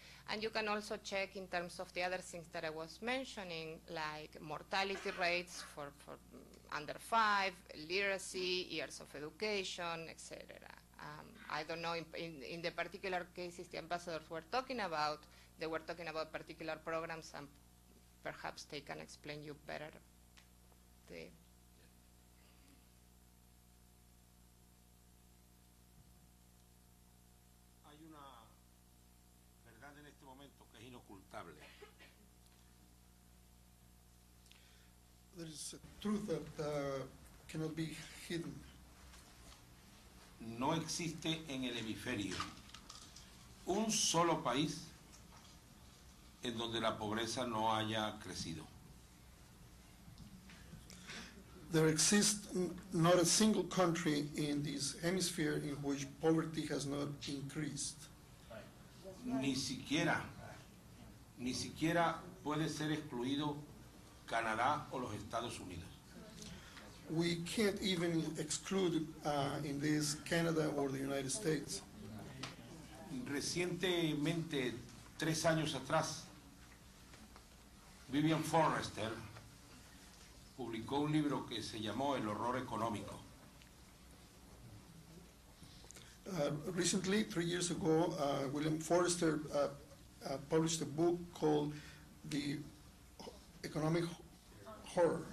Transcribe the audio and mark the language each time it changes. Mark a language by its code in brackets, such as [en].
[en] And you can also check in terms of the other things that I was mentioning, like mortality rates for under five, literacy, years of education, etc. I don't know, in the particular cases the ambassadors were talking about, they were talking about particular programs, and perhaps they can explain you better. [es] Hay una verdad en este momento que es inocultable. [en] There is a truth that cannot be hidden. [es] No existe en el hemisferio un solo país en donde la pobreza no haya crecido. [en] There exists not a single country in this hemisphere in which poverty has not increased. [es] Ni siquiera puede ser excluido Canadá o los Estados Unidos. [en] We can't even exclude in this Canada or the United States. [es] Recientemente, 3 años atrás, Vivian Forrester publicó un libro que se llamó El horror económico. [en] Recently, 3 years ago, William Forrester published a book called The Economic Horror.